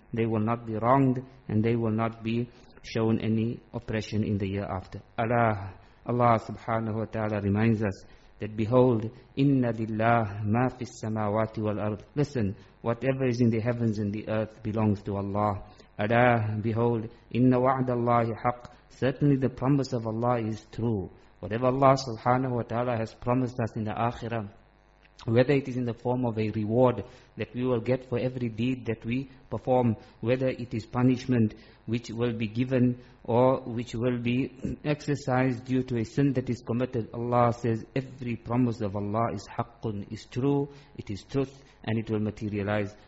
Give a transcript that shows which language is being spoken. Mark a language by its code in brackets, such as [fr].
[en] They will not be wronged and they will not be shown any oppression in the year after. Allah subhanahu wa ta'ala reminds us that, behold, [ar] إِنَّ لِلَّهِ مَا فِي السَّمَاوَاتِ وَالْأَرْضِ. [en] Listen, whatever is in the heavens and the earth belongs to Allah. [ar] Ala, behold, إِنَّ وَعْدَ اللَّهِ حَقٍّ. [en] Certainly the promise of Allah is true. Whatever Allah subhanahu wa ta'ala has promised us in the Akhirah, whether it is in the form of a reward that we will get for every deed that we perform, whether it is punishment which will be given or which will be exercised due to a sin that is committed, Allah says every promise of Allah is haqqun, is true, it is truth, and it will materialize.